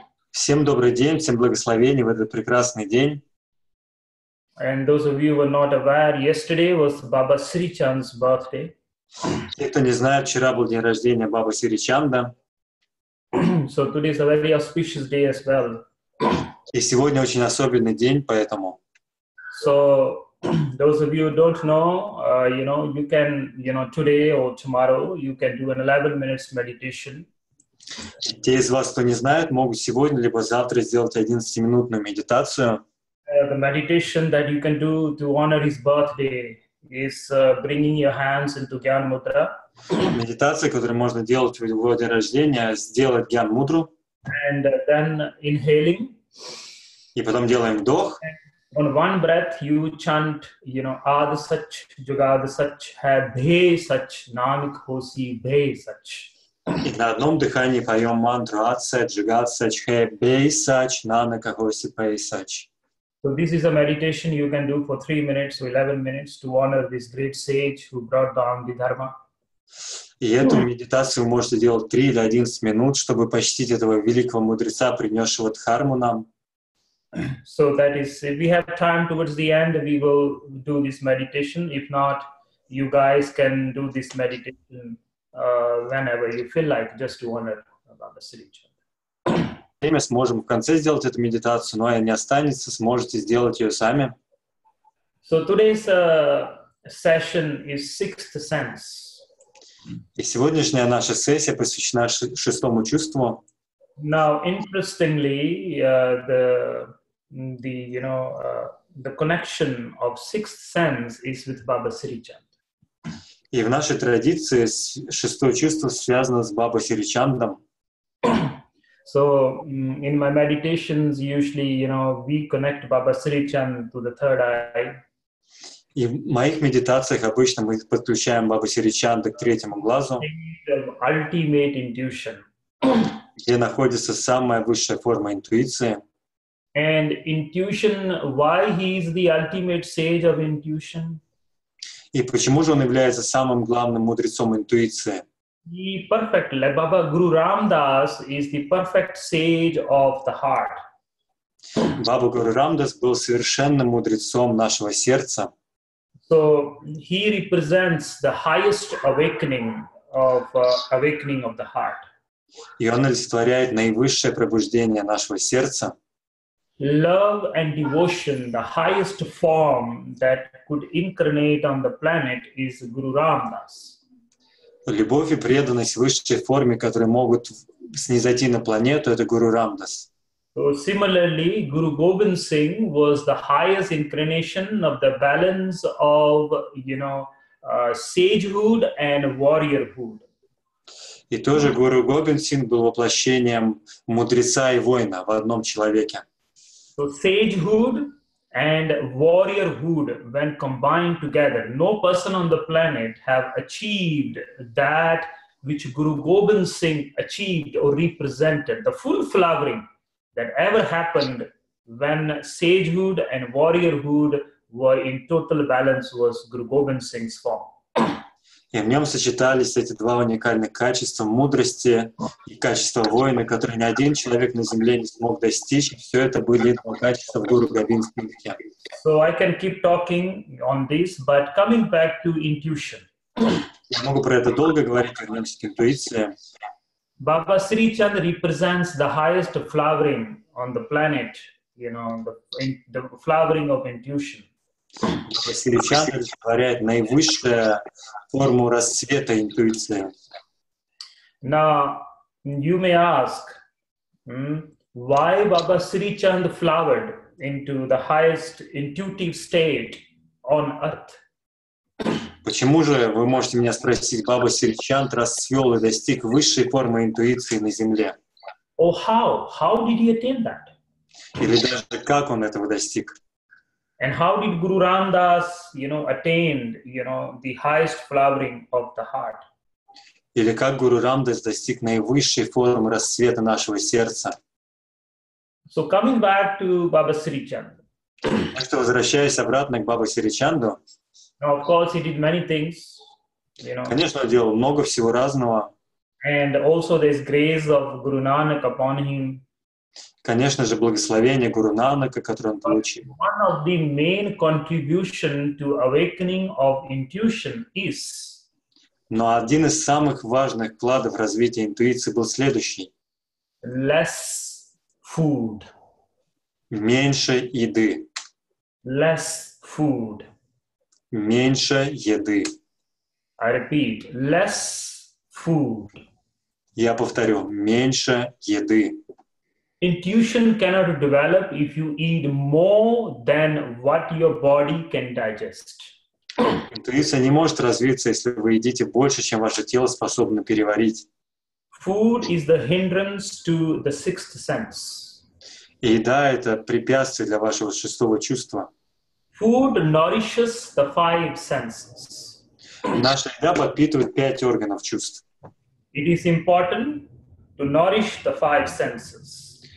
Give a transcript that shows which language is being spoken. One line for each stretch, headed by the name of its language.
Russian: Всем добрый день, всем благословений в этот прекрасный день.
English: And those of you who were not aware, yesterday was Baba Sri Chand's birthday.
Russian: Те, кто не знает, вчера был день рождения Бабы Сри Чанда.
English: So today is a very auspicious day as well.
Russian: И сегодня очень особенный день, поэтому.
English: So those of you who don't know, you know, you can, you know, today or tomorrow, you can do an 11 minutes meditation.
Russian: Те из вас, кто не знает, могут сегодня либо завтра сделать 11-минутную медитацию.
English: The meditation that you can do to honor his birthday is bringing your hands into Gyan Mudra.
Russian: Медитация, которую можно делать в его день рождения, сделать Гьян Мудру.
English: And then inhaling.
Russian: И потом делаем вдох.
English: On one breath you chant, you know,
Punjabi: Ad Sach, Jugad Sach, Hai Bhe Sach,
English: Nanak Hosi Bhe Sach.
Russian: И на одном дыхании поем мантру
Punjabi: Ad Sach, Jugad Sach, Hai Bhe Sach,
Russian: Nanak Hosi Bhe Sach.
English: So this is a meditation you can do for 3 minutes or 11 minutes to honor this great sage who brought down the dharma.
Russian: И эту медитацию вы можете делать 3 или 11 минут, чтобы почтить этого великого мудреца, принесшего дхарму нам.
English: So that is, if we have time towards the end, we will do this meditation. If not, you guys can do this meditation whenever you feel like, just to honor Baba Sri Chand.
Russian: Время сможем в конце сделать эту медитацию, но она не останется, сможете сделать ее сами.
English: So today's session is sixth sense.
Russian: И сегодняшняя наша сессия посвящена шестому чувству.
English: Now, interestingly, the connection of sixth sense is with Baba Sri Chand.
Russian: И в нашей традиции шестое чувство связано с Бабой Сри Чандом.
English: So in my meditations, usually, you know, we connect Baba Sri Chand to the third eye.
Russian: И в моих медитациях обычно мы подключаем Бабу Сри Чанда к третьему глазу,
English: ultimate intuition,
Russian: где находится самая высшая форма интуиции.
English: And intuition, why he is the ultimate sage of intuition?
Russian: И почему же он является самым главным мудрецом интуиции?
English: The perfect, like Baba Guru Ram Das is the perfect sage of the heart.
Russian: Баба Гуру Рам Дас был совершенным мудрецом нашего сердца.
English: So he represents the highest awakening of the heart.
Russian: И он олицетворяет наивысшее пробуждение нашего сердца.
English: Love and devotion, the highest form that could incarnate on the planet is Guru Ram Das.
Russian: Любовь и преданность в высшей форме, которые могут снизойти на планету, это Гуру Рам Дас.
English: So similarly, Guru Gobind Singh was the highest incarnation of the balance of, you know, sagehood and warriorhood.
Russian: И тоже Гуру Гобинд Сингх был воплощением мудреца и воина в одном человеке.
English: So sagehood and warriorhood, when combined together, no person on the planet have achieved that which Guru Gobind Singh achieved or represented, the full flowering that ever happened when sagehood and warriorhood were in total balance was Guru Gobind Singh's form.
Russian: И в нем сочетались эти два уникальных качества — мудрости и качество воина, которые ни один человек на Земле не смог достичь. Все это были два качества в Гуру Гобинд Сингхе.
English: So I can keep talking on this, but coming back to intuition.
Russian: Я могу про это долго говорить, вернемся к интуиции.
English: Baba Sri Chand represents the highest flowering on the planet, you know, the flowering of intuition.
Russian: Баба Сри Чанд олицетворяет наивысшую форму расцвета интуиции.
English: Now, you may ask, why Baba Sri Chand flowered into the highest intuitive state on earth?
Russian: Почему же, вы можете меня спросить, Баба Сри Чанд расцвел и достиг высшей формы интуиции на Земле?
English: Oh, how? How did he attain that?
Russian: Или даже как он этого достиг?
English: And how did Guru Ram Das, you know, attain, you know, the highest flowering of the heart?
Russian: Или как Гуру Рам Дас достиг наивысшей формы расцвета нашего сердца?
English: So coming back to Baba Sri Chand.
Russian: Так что возвращаясь обратно к Бабе Сричанду.
English: Now, of course, he did many things, you know.
Russian: Конечно, он делал много всего разного.
English: And also there's grace of Guru Nanak upon him.
Russian: Конечно же, благословение Гуру Нанака, которое он получил.
English: One of the main contribution to awakening of intuition is.
Russian: Но один из самых важных вкладов развития интуиции был следующий.
English: Less food.
Russian: Меньше еды.
English: Less food.
Russian: Меньше еды.
English: I repeat, less food.
Russian: Я повторю, меньше еды.
English: Intuition cannot develop if you eat more than what your body can digest.
Russian: Интуиция не может развиться, если вы едите больше, чем ваше тело способно переварить.
English: Food is the hindrance to the sixth sense.
Russian: И еда — это препятствие для вашего шестого чувства.
English: Food nourishes the five senses.
Russian: Наша еда подпитывает пять органов чувств.
English: It is important to nourish the five senses.